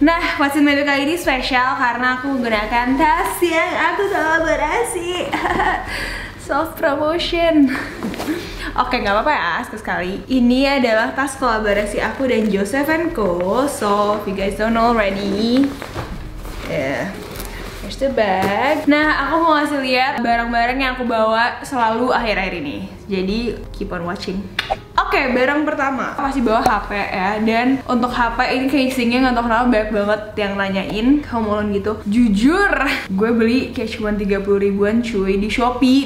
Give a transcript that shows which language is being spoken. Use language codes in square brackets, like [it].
[id] Nah, [en] What's in my bag [id] kali ini spesial karena aku menggunakan tas yang aku kolaborasi. [en] Self promotion. [id] Oke, gak apa-apa ya, sekali. Ini adalah tas kolaborasi aku dan JOSEPH&CO. [en] So, if you guys don't already, yeah, here's the bag. [id] Nah, aku mau kasih lihat barang-barang yang aku bawa selalu akhir-akhir ini. Jadi, [en] keep on watching. [id] Oke, barang pertama, aku masih bawa HP ya. Dan untuk HP ini casingnya gak tau kenapa banyak banget yang nanyain. Kamu mau gitu? Jujur, gue beli kayak cuma 30 ribuan cuy di Shopee.